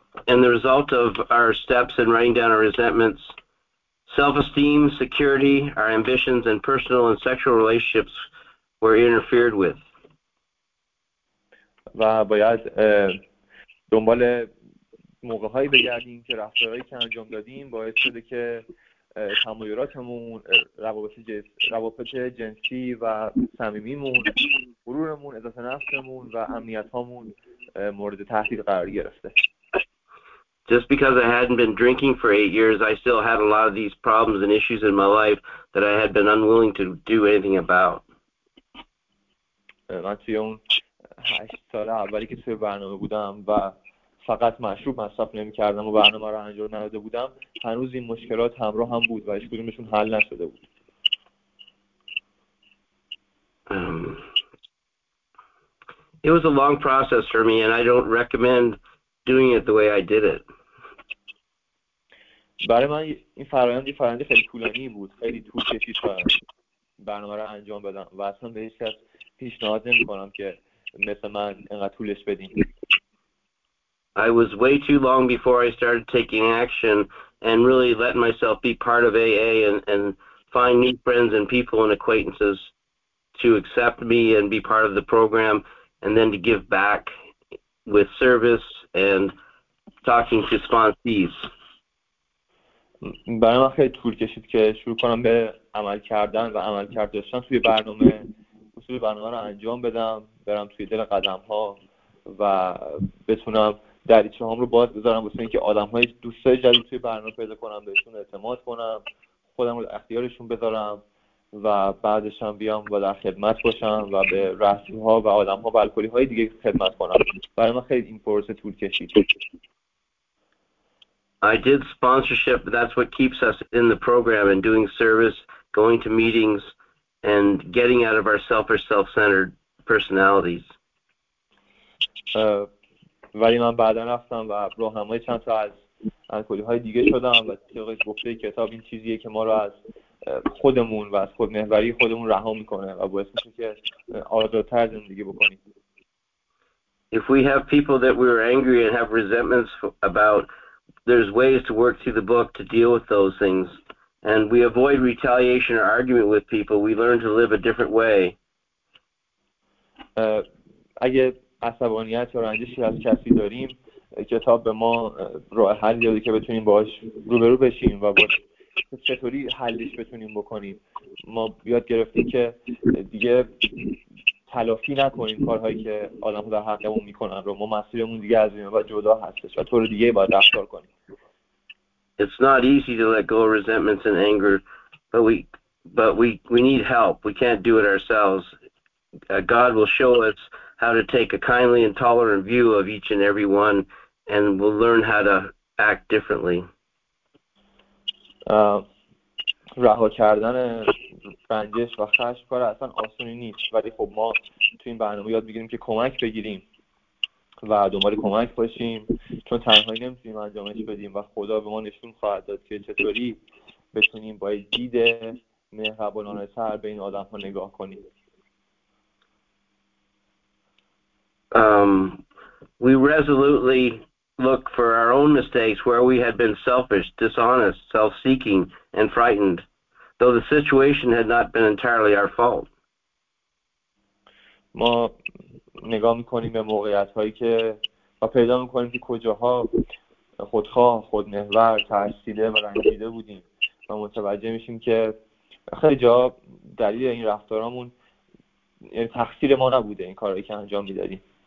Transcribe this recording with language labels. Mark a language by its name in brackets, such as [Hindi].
[English] And the result of our steps in writing down our resentments, self-esteem, security, our ambitions, and personal and sexual relationships were interfered with. [Persian] و باید دنبال موقع‌هایی بگردیم که رفتارهایی که انجام دادیم باعث شده که تمایلاتمون، روابط جنسی و صمیمیمون، غرورمون، عزت نفسمون و امنیت‌هامون مورد تهدید قرار گرفته. [English] Just because I hadn't been drinking for 8 years, I still had a lot of these problems and issues in my life that I had been unwilling to do anything about. [Persian] من توی اون 8 سال اولی که توی برنامه بودم و فقط مشروب مصرف نمی کردم و برنامه رو انجام نداده بودم، هنوز این مشکلات همراه هم بود و هیچ کدومشون حل نشده بود. [English] It was a long process for me, and I don't recommend doing it the way I did it. [Persian] برای من این فرآیند خیلی طولانی بود، خیلی طول کشید برنامه رو انجام بدم و اصلا به هیچ کس پیشنهاد نمی کنم که مثل من اینقدر طولش بدیم. [English] I was way too long before I started taking action and really letting myself be part of AA and find new friends and people and acquaintances to accept me and be part of the program and then to give back with service and talking to sponsees. [Persian] برای من خیلی طول کشید که شروع کنم به عمل کردن و عمل کرد داشتن توی برنامه، اصول برنامه رو انجام بدم، برم توی دل قدم ها و بتونم دریچه هم رو باز بذارم واسه اینکه آدم های دوستای جدید توی برنامه پیدا کنم، بهشون اعتماد کنم، خودم رو اختیارشون بذارم و بعدش هم بیام و در خدمت باشم و به رسول ها و آدم ها و الکلی های دیگه خدمت کنم. برای من خیلی این پروسه طول کشید. [English] I did sponsorship, but that's what keeps us in the program and doing service, going to meetings, and getting out of our self or self-centered personalities. [Persian] ولی من بعدا رفتم و راهنمای چند تا از الکلی‌های دیگه شدم و تیغش گفته کتاب این چیزیه که ما رو از خودمون و از خودمحوری خودمون رها میکنه و باعث میشه که آزادتر زندگی بکنیم. [English] If we have people that we're angry and have resentments about, there's ways to work through the book to deal with those things. And we avoid retaliation or argument with people. We learn to live a different way. [Persian] اگه عصبانیت یا رنجشی از کسی داریم، کتاب به ما راه حل داده که بتونیم باهاش روبرو بشیم و چطوری حلش بتونیم بکنیم. ما یاد گرفتیم که دیگه تلافی نکنیم کارهایی که آدم در حقمون میکنن رو. ما مسیرمون دیگه از این بعد جدا هستش و طور دیگه باید رفتار کنیم. [English] It's not easy to let go of resentments and anger, but we need help. We can't do it ourselves. God will show us how to take a kindly and tolerant view of each and every one, and we'll learn how to act differently. [Persian] رها کردن رنجش و خشم کار اصلا آسونی نیست، ولی خب ما تو این برنامه یاد بگیریم که کمک بگیریم و دوباره کمک باشیم، چون تنهایی نمیتونیم انجامش بدیم و خدا به ما نشون خواهد داد که چطوری بتونیم با دید مهربانانه تر به این آدم ها نگاه کنیم. [English] We resolutely look for our own mistakes where we had been selfish, dishonest, self-seeking, and frightened, though the situation had not been entirely our fault. [Persian] ما نگاه میکنیم به موقعیت هایی که و پیدا میکنیم که کجاها خودخواه، خودمحور، ترسیده و رنجیده بودیم و متوجه میشیم که خیلی جا دلیل این رفتارامون تقصیر ما نبوده، این کارهایی که انجام میدادیم.